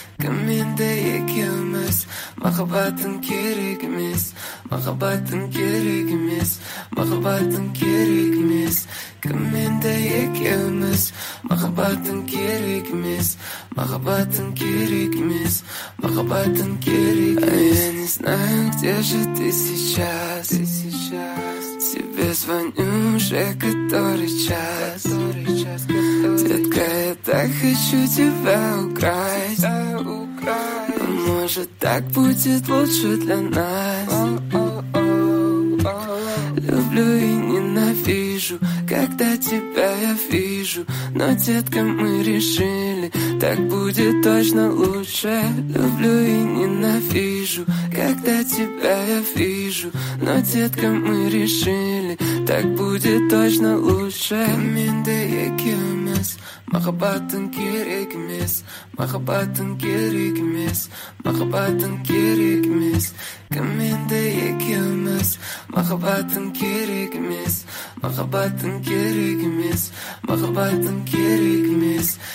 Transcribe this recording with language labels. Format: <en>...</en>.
<kk>Кім енді екеуміз, махаббатың керек емес, махаббатың керек емес, махаббатың керек емес. Кім енді екеуміз, махаббатың керек емес, махаббатың керек емес, махаббатың керек емес.</kk> <ru>Я не знаю, где же ты сейчас, ты сейчас. Тебе звоню уже который час, который час, детка, я так хочу тебя украсть. Но может так будет лучше для нас. Люблю и ненавижу, когда тебя я вижу. Но, детка, мы решили, так будет точно лучше. Люблю и ненавижу, когда тебя я вижу. Но, детка, мы решили, так будет точно лучше.</ru> <kk>Каминда я кемес, махаббатың керек емес, махаббатың керек емес, махаббатың керек емес. Кім енді екеуміз, махаббатың керек емес, махаббатың керек емес, махаббатың керек емес.</kk>